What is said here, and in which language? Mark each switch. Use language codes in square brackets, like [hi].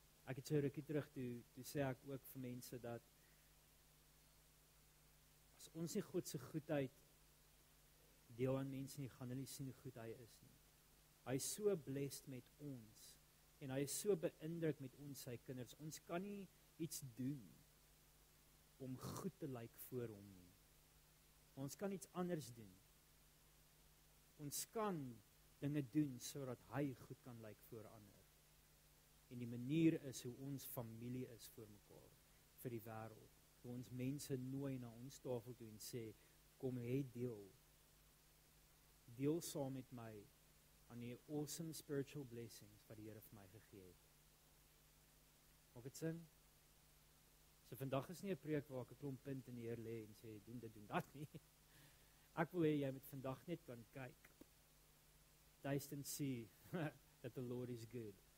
[af] Ek het so rukkie terug, toe sê ek ook vir mense dat, as ons nie God se goedheid deel aan mense nie, gaan hulle nie sien hoe goed hy is nie. Hy is so blessed met ons, en hy is so beïndruk met ons, sy kinders. Ons kan nie iets doen om goed te lyk voor hom nie. Ons kan iets anders doen. Ons kan dinge doen zodat hij goed kan lyk voor ander. En die manier is hoe ons familie is voor mekaar, voor die wereld. Hoe ons mense nooi na ons tafel toe en sê, kom hê deel. Deel saam met my aan die [en] awesome spiritual blessings [af] wat die Here vir my gegee het. Maak het sin? So vandag is nie 'n preek waar ek 'n klomp punt in die Heer lê en sê, doen dit, doen dat nie. Ek wil hê jy moet vandag net kan kyk. [en] Taste and see that the Lord is good.